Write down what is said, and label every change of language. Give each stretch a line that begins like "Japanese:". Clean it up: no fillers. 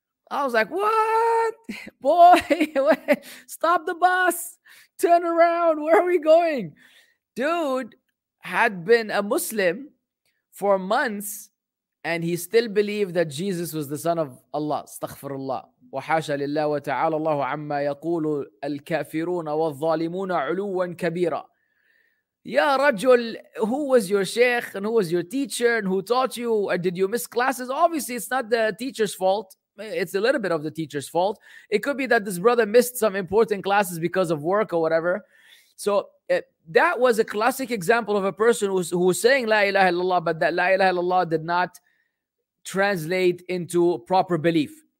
English: I was like, what? Boy, stop the bus. Turn around. Where are we going? Dude had been a Muslim for months and he still believed that Jesus was the son of Allah. Astaghfirullah.
Arabic: وحاشا لله وتعالى الله عما يقول الكافرون والظالمون علوا كبيرا.
English: Ya Rajul, who was your sheikh and who was your teacher and who taught you? Did you miss classes? Obviously, it's not the teacher's fault. it's a little bit of the teacher's fault. It could be that this brother missed some important classes because of work or whatever. So that was a classic example of a person who was saying La ilaha illallah, but that La ilaha illallah did not translate into proper belief.